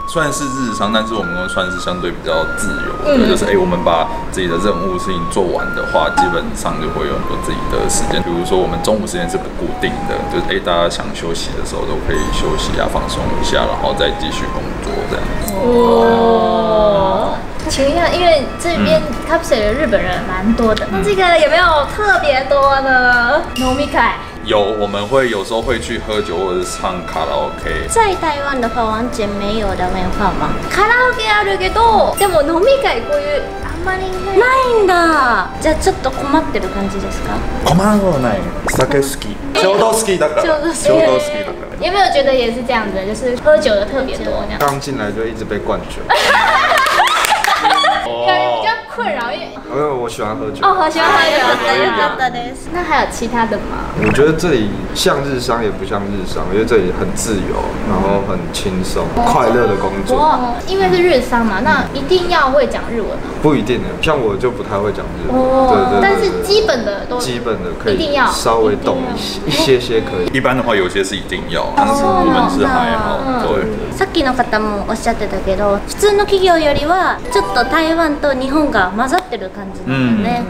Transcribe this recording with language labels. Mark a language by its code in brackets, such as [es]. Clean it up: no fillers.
[zh] 虽然是日商，但是我们都算是相对比较自由的，就是我们把自己的任务事情做完的话，基本上就会有很多自己的时间。比如说我们中午时间是不固定的，就是大家想休息的时候都可以休息啊，放松一下，然后再继续工作这样子。哦，请问一下，因为这边 capsule 的日本人蛮多的，那这个有没有特别多呢？飲み会。有，我们会有时候会去喝酒或者是唱卡拉 OK。在台湾的话，完全没有的文化吗？ [ja] カラオケあるけど、でも飲み会こういうあんまりないんだ。じゃあちょっと困ってる感じですか？困らない。酒好き。ちょうど好きだから。ちょうど好きだから。 [zh] 有没有觉得也是这样子？就是喝酒的特别多。刚进来就一直被灌酒。困扰，因为我喜欢喝酒。哦，好喜欢喝酒，好的。那还有其他的吗？我觉得这里像日商也不像日商，因为这里很自由，然后很轻松，快乐的工作。哦，因为是日商嘛，那一定要会讲日文吗？不一定的，像我就不太会讲日文。哦，对。但是基本的都基本的可以，稍微懂一些些可以。一般的话，有些是一定要，但是我们是还好，对。 [ja] さっきの方もおっしゃってたけど、普通の企業よりはちょっと台湾と日本が混ざってる感じだよね。